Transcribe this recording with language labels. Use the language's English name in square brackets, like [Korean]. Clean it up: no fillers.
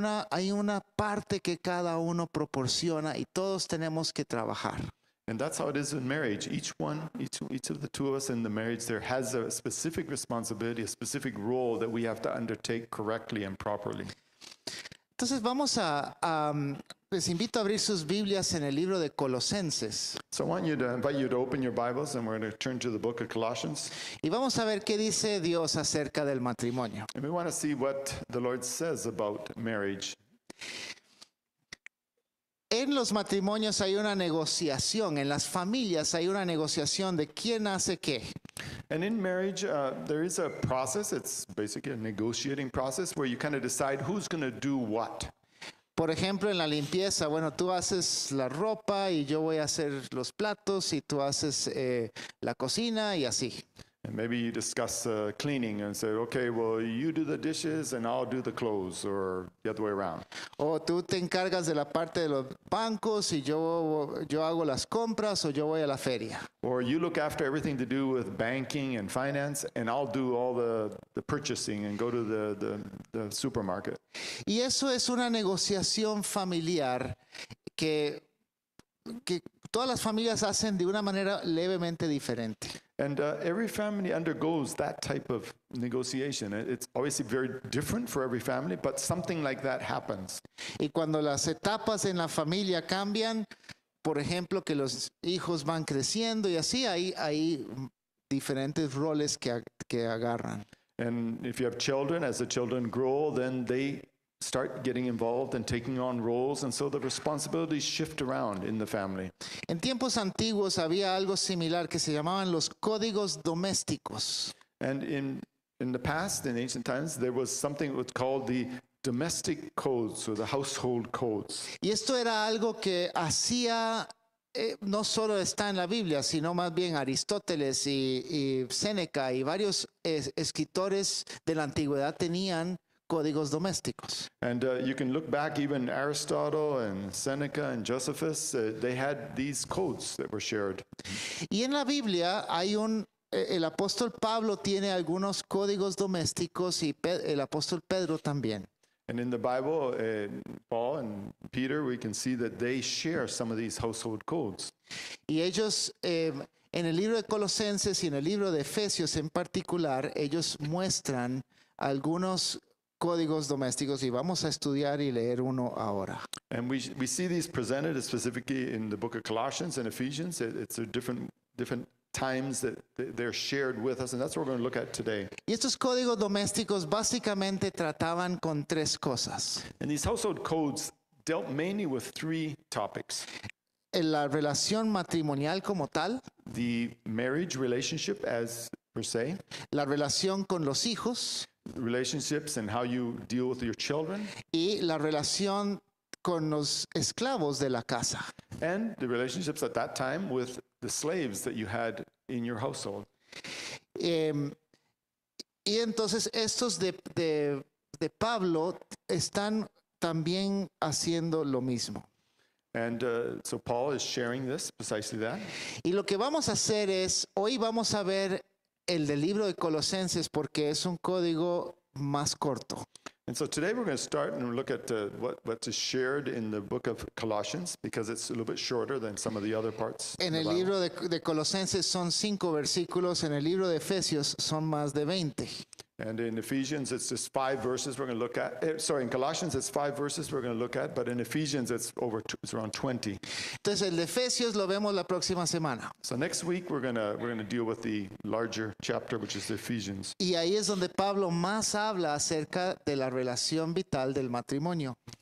[Spanish] Hay una parte que cada uno proporciona y todos tenemos que trabajar. [English] And that's how it is in marriage. Each of the two of us in the marriage there has a specific responsibility, a specific role that we have to undertake correctly and properly. [Spanish] Entonces vamos a les invito a abrir sus Biblias en el libro de Colosenses. [English] So I want you to invite you to open your Bibles and we're going to turn to the book of Colossians. [Spanish] Y vamos a ver qué dice Dios acerca del matrimonio. [English] And we want to see what the Lord says about marriage. [Spanish] En los matrimonios hay una negociación, en las familias hay una negociación de quién hace qué. [English] And in marriage, there is a process, it's basically a negotiating process, where you kind of decide who's going to do what. [Spanish] Por ejemplo, en la limpieza, bueno, tú haces la ropa y yo voy a hacer los platos y tú haces la cocina y así. [English] And maybe you discuss cleaning and say, okay, well, you do the dishes and I'll do the clothes, or the other way around. [Spanish] O tú te encargas de la parte de los bancos y yo hago las compras o yo voy a la feria. [English] Or you look after everything to do with banking and finance and I'll do all the purchasing and go to the supermarket. [Spanish] Y eso es una negociación familiar que todas las familias hacen de una manera levemente diferente. [English] And every family undergoes that type of negotiation. It's obviously very different for every family, but something like that happens. [Spanish] Y cuando las etapas en la familia cambian, por ejemplo, que los hijos van creciendo y así, hay diferentes roles que agarran. [English] And if you have children, as the children grow, then they start getting involved and taking on roles, and so the responsibilities shift around in the family. [Spanish] En tiempos antiguos había algo similar que se llamaban los códigos domésticos. [English] And in the past, in ancient times, there was something that was called the domestic codes or the household codes. [Spanish] Y esto era algo que hacía, no solo está en la Biblia, sino más bien Aristóteles y Séneca y varios escritores de la antigüedad tenían códigos domésticos. [English] And you can look back, even Aristotle and Seneca and Josephus, they had these codes that were shared. [Spanish] Y en la Biblia hay un, el apóstol Pablo tiene algunos códigos domésticos y el apóstol Pedro también. [English] And in the Bible, Paul and Peter, we can see that they share some of these household codes. [Spanish] Y ellos, en el libro de Colosenses y en el libro de Efesios en particular, ellos muestran algunos códigos domésticos y vamos a estudiar y leer uno ahora. [English] And we see these presented specifically in the book of Colossians and Ephesians. It's a different times that they're shared with us, and that's what we're going to look at today. [Spanish] Y estos códigos domésticos básicamente trataban con tres cosas. [English] And these household codes dealt mainly with three topics. [Spanish] En la relación matrimonial como tal. [English] The marriage relationship as per se. [Spanish] La relación con los hijos. [English] relationships and how you deal with your children. [Spanish] Y la relación con los esclavos de la casa. [English] And the relationships at that time with the slaves that you had in your household. [Spanish] Y entonces estos de Pablo están también haciendo lo mismo. [English] And so Paul is sharing this, precisely that. [Spanish] Y lo que vamos a hacer es, hoy vamos a ver el del libro de Colosenses porque es un código más corto. [English] And so today we're going to start and look at what is shared in the book of Colossians because it's a little bit shorter than some of the other parts. [Spanish] En el libro de Colosenses son 5 versículos, en el libro de Efesios son más de 20. [English] And in Ephesians it's just 5 verses we're going to look at. In Colossians it's 5 verses we're going to look at, but in Ephesians it's around 20. [Spanish] Entonces el de Efesios lo vemos la próxima semana. [English] So next week we're going to deal with the larger chapter, which is the Ephesians. [Spanish] Y ahí es donde Pablo más habla acerca de la relación vital del matrimonio.